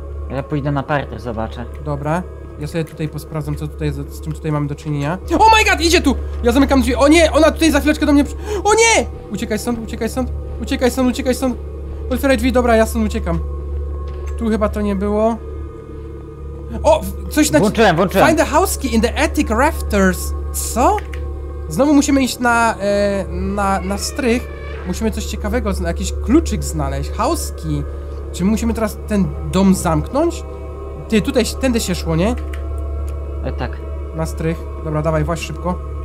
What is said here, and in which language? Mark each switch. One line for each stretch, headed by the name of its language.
Polish: Ja pójdę na parter, zobaczę. Dobra. Ja sobie tutaj posprawdzam, co tutaj, z czym tutaj mamy do czynienia.
English: Oh my god,
Polish: idzie tu! Ja zamykam drzwi. O nie, ona tutaj za chwileczkę do mnie... O nie! Uciekaj stąd, uciekaj stąd. Uciekaj stąd, uciekaj stąd. Otwieraj drzwi, dobra, ja stąd uciekam. Tu chyba to nie było. O, coś na... Włączyłem, włączyłem.
English: Find the house key in the attic rafters.
Polish: Co? Znowu musimy iść na strych. Musimy coś ciekawego, jakiś kluczyk znaleźć. House key. Czy musimy teraz ten dom zamknąć? Ty, tutaj, tędy się szło, nie? Tak. Na strych. Dobra, dawaj, właź szybko.